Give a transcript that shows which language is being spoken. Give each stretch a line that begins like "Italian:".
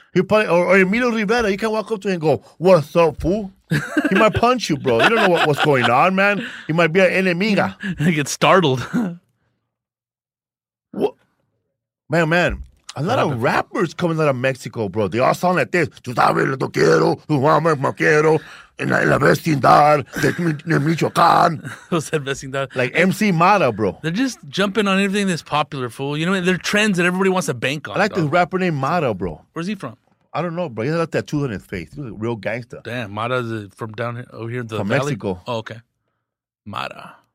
English: Or Emilio Rivera, you can't walk up to him and go, what's up, fool? He might punch you, bro. You don't know what's going on, man. He might be an enemiga. I get startled. What? Man. A lot of rappers coming out of Mexico, bro. They all sound like this.
Spanish: Tú sabes lo que quiero, tú amas lo que quiero, en la vecindad de Michoacán.
English: Who's that vecindad? Like MC Mata, bro. They're just jumping on anything that's popular, fool. You know, they're trends that everybody wants to bank on. I like the rapper named Mata, bro. Where's he from? I don't know, bro. He has a tattoo on his face. He's a real gangster. Damn, Mata's from down here, over here in the from valley? Mexico. Oh, okay. Mata.